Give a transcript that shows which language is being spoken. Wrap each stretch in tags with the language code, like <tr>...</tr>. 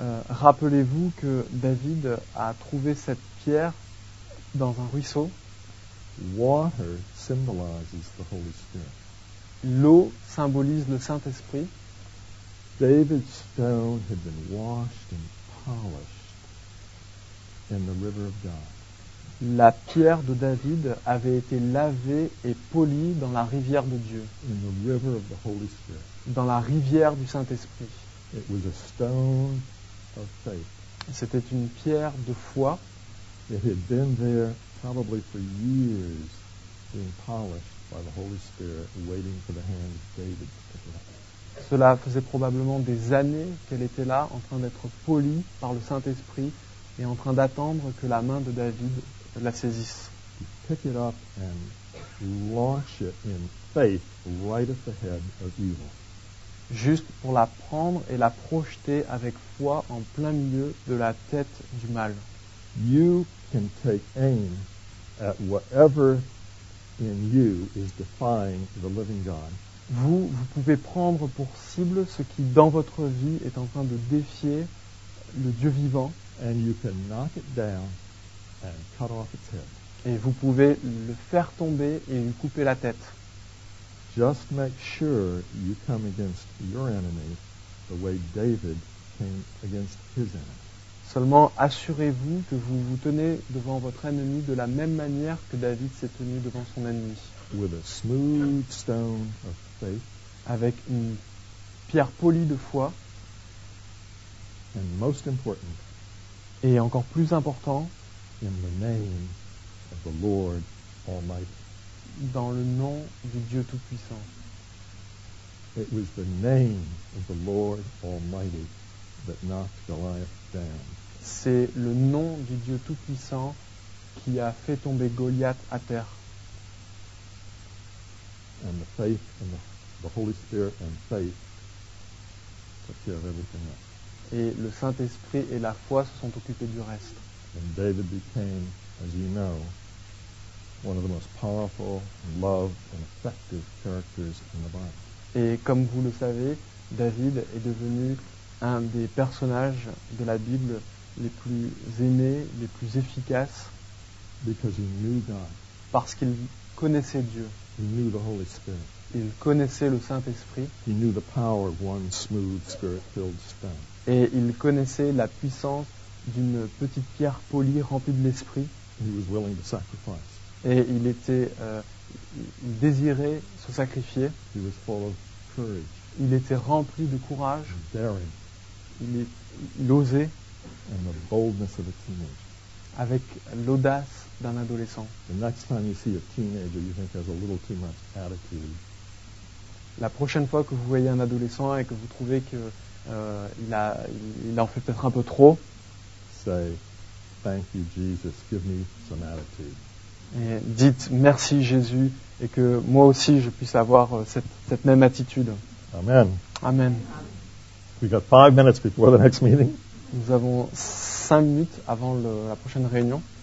<fr>Rappelez-vous que David a trouvé cette pierre dans un ruisseau.</fr> <en>Water symbolizes the Holy Spirit.</en> <fr>L'eau symbolise le Saint-Esprit.</fr> <en>David's stone had been washed and polished in the river of God.</en> <fr>La pierre de David avait été lavée et polie dans la rivière de Dieu.</fr> <en>In the river of the Holy Spirit.</en> <fr>Dans la rivière du Saint-Esprit.</fr> <en>It was a stone of faith.</en> <fr>C'était une pierre de foi.</fr> <en>It had been there probably for years, being polished by the Holy Spirit, waiting for the hand of David to pick it up.</en> <fr>Cela faisait probablement des années qu'elle était là, en train d'être polie par le Saint-Esprit et en train d'attendre que la main de David la saisisse.</fr> <en>To pick it up and launch it in faith right at the head of evil.</en> <fr>Juste pour la prendre et la projeter avec foi en plein milieu de la tête du mal.</fr> <en>You can take aim at whatever in you is defying the living God.</en> <fr>Vous pouvez prendre pour cible ce qui dans votre vie est en train de défier le Dieu vivant.</fr> <en>And you can knock it down and cut off its head.</en> <fr>Et vous pouvez le faire tomber et lui couper la tête.</fr> <en>Just make sure you come against your enemy the way David came against his enemy.</en> <fr>Seulement assurez-vous que vous vous tenez devant votre ennemi de la même manière que David s'est tenu devant son ennemi.</fr> <en>With a smooth stone of faith.</en> <fr>Avec une pierre polie de foi.</fr> <en>And most important.</en> <fr>Et encore plus important.</fr> <en>In the name of the Lord Almighty.</en> <fr>Dans le nom du Dieu Tout-Puissant.</fr> <en>It was the name of the Lord Almighty that knocked Goliath down.</en> <fr>C'est le nom du Dieu Tout-Puissant qui a fait tomber Goliath à terre.</fr> <en>And the faith and the Holy Spirit and faith took care of everything else.</en> <fr>Et le Saint-Esprit et la foi se sont occupés du reste.</fr> <en>And David became, as you know, one of the most powerful, loved, and effective characters in the Bible.</en> <fr>Et comme vous le savez, David est devenu un des personnages de la Bible les plus aimés, les plus efficaces.</fr> <en>Because he knew God.</en> <fr>Parce qu'il connaissait Dieu.</fr> <en>He knew the Holy Spirit.</en> <fr>Il connaissait le Saint-Esprit.</fr> <en>He knew the power of one smooth, spirit-filled stone.</en> <fr>Et il connaissait la puissance d'une petite pierre polie remplie de l'Esprit.</fr> <en>He was willing to sacrifice.</en> <fr>Et il était il désirait se sacrifier.</fr> <en>He was full of courage.</en> <fr>Il était rempli de courage.</fr> <en>Daring.</en> <fr>Il osait.</fr> <en>And the boldness of a teenager.</en> <fr>Avec l'audace d'un adolescent.</fr> <en>The next time you see a teenager, you think has a little too much attitude.</en> <fr>La prochaine fois que vous voyez un adolescent et que vous trouvez que il en fait peut-être un peu trop,</fr> <en>say, thank you, Jesus, give me some attitude.</en> <fr>Et dites merci Jésus et que moi aussi je puisse avoir cette même attitude.</fr> <en>Amen.</en> <fr>Amen.</fr> <en>We got 5 minutes before the next meeting.</en> <fr>Nous avons 5 minutes avant la prochaine réunion.</fr>